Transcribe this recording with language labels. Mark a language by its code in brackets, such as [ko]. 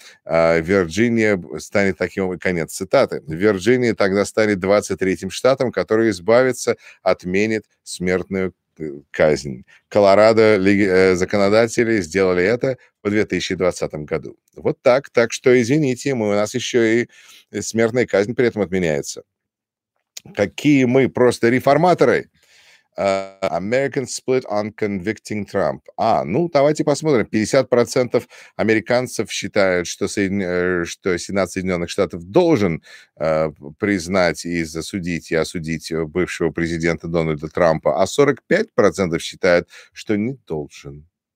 [ru] Вирджиния станет таким, конец цитаты, Вирджиния тогда станет 23-м штатом, который избавится, отменит смертную казнь. Колорадо законодатели сделали это в 2020 году. Вот так. Так что, извините, мы, у нас еще и смертная казнь при этом отменяется. Какие мы просто реформаторы! [en] American split on convicting Trump. [ru] А, ну, давайте посмотрим. 50% американцев считают, что Сенат Соединенных Штатов должен признать и засудить, и осудить бывшего президента Дональда Трампа, а 45% считают, что не должен.